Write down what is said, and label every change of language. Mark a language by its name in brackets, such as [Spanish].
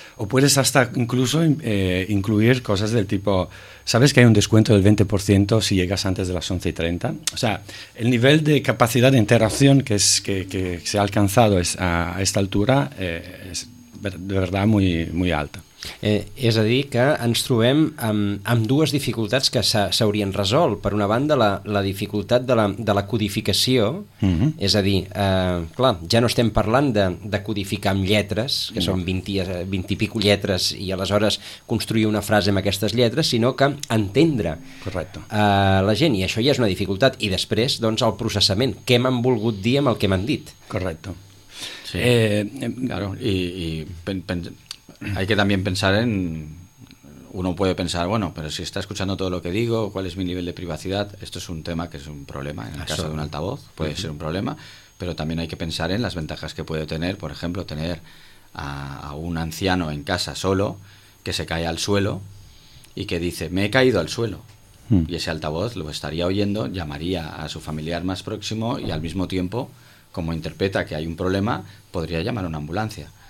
[Spanish] O puedes hasta incluso incluir cosas del tipo, ¿sabes que hay un descuento del 20% si llegas antes de las 11:30? O sea, el nivel de capacidad de interacción que se ha alcanzado a esta altura es de verdad muy, muy alta. [Catalan] És a dir, que ens trobem amb dues dificultats que s'haurien resolt. Per una banda, la dificultat de la codificació, és a dir, clar, ja no estem parlant de codificar amb lletres, que són 20 i pico lletres, i aleshores construir una frase amb aquestes lletres, sinó que entendre la gent, i això ja és una dificultat. I després, doncs, el processament, què m'han volgut dir amb el que m'han dit. [Spanish] Correcto. Sí, claro, y hay que también pensar en, uno puede pensar, bueno, pero si está escuchando todo lo que digo, ¿cuál es mi nivel de privacidad? Esto es un tema que es un problema, en el caso de un altavoz puede ser un problema, pero también hay que pensar en las ventajas que puede tener, por ejemplo, tener a un anciano en casa solo, que se cae al suelo y que dice, me he caído al suelo, y ese altavoz lo estaría oyendo, llamaría a su familiar más próximo y al mismo tiempo, como interpreta que hay un problema, podría llamar a una ambulancia.